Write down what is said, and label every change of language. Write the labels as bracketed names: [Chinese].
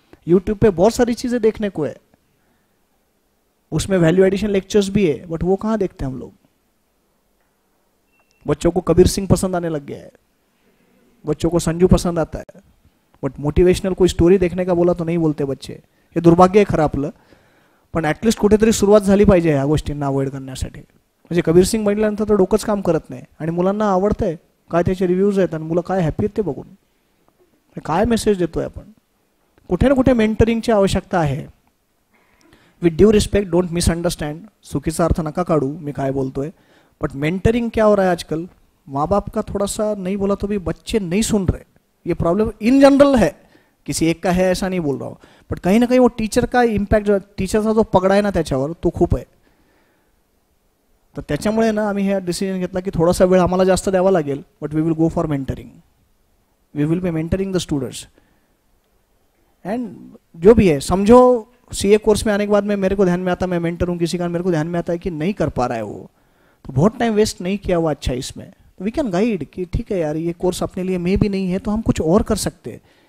[Hindi] YouTube पे बहुत सारी चीजें देखने को है, उसमें वैल्यू एडिशन लेक्चर्स भी है, बट वो कहां देखते हैं हम लोग। बच्चों को कबीर सिंह पसंद आने लग गया है, बच्चों को संजू पसंद आता है, बट मोटिवेशनल कोई स्टोरी देखने का बोला तो नहीं बोलते बच्चे। ये दुर्भाग्य है खराब, [Marathi] पण ऍटलीस्ट कुठेतरी सुरुवात झाली पाहिजे या गोष्टींना अवॉइड करण्यासाठी। म्हणजे कबीर सिंग बनल्यानंतर तर डोकंच काम करत नाही आणि मुलांना आवडतंय, काय त्याचे रिव्ह्यूज आहेत आणि मुलं काय हॅपी आहेत ते बघून काय मेसेज देतोय आपण। कुठे ना कुठे मेंटरिंगची आवश्यकता आहे। [English] with due respect, don't misunderstand, [Marathi] चुकीचा अर्थ नका काढू मी काय बोलतोय, [Hindi] बट मेंटरिंग क्या हो रहा है आजकल, माँ बाप का थोड़ा सा नहीं बोला तो भी बच्चे नहीं सुन रहे। ये प्रॉब्लम इन जनरल है, किसी एक का है ऐसा नहीं बोल रहा हूँ, बट कहीं ना कहीं वो टीचर का इम्पैक्ट, जो टीचर का जो पकड़ा है ना [Marathi] त्याच्यावर, [Hindi] तो खूप है। [Marathi] तो त्याच्यामुळे ना आम्ही हे डिसिजन घेतला की थोड़ा सा वेळ आम्हाला जास्त द्यावा लागेल, [English] But we will go for mentoring. We will be mentoring the students [Hindi] and जो भी है, समझो सीए कोर्स में आने के बाद में मेरे को ध्यान में आता, मैं मेंटर हूँ किसी का, मेरे को ध्यान में आता है कि नहीं कर पा रहा है वो, तो बहुत टाइम वेस्ट नहीं किया हुआ अच्छा इसमें, तो [English] we can guide [Hindi] कि ठीक है यार ये कोर्स अपने लिए मे भी नहीं है तो हम कुछ और कर सकते हैं।